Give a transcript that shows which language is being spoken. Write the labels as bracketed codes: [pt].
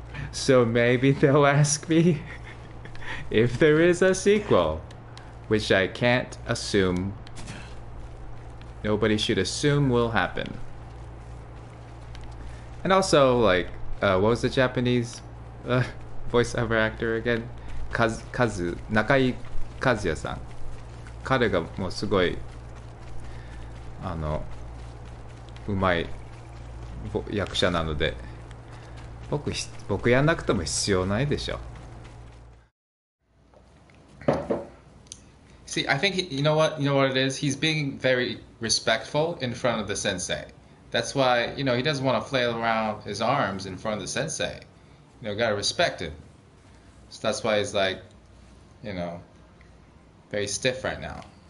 [en] So maybe they'll ask me if there is a sequel, which I can't assume. Nobody should assume will happen. And also, like, what was the Japanese voiceover actor again? Kazu, Nakai Kazuya-san. [ja] 彼がもうすごい、あの、うまい役者なので、僕やんなくても必要ないでしょ。 [en] See, I think, you know what it is? He's being very respectful in front of the sensei. That's why, you know, he doesn't want to flail around his arms in front of the sensei. You know, gotta respect him. So that's why he's like, you know, very stiff right now.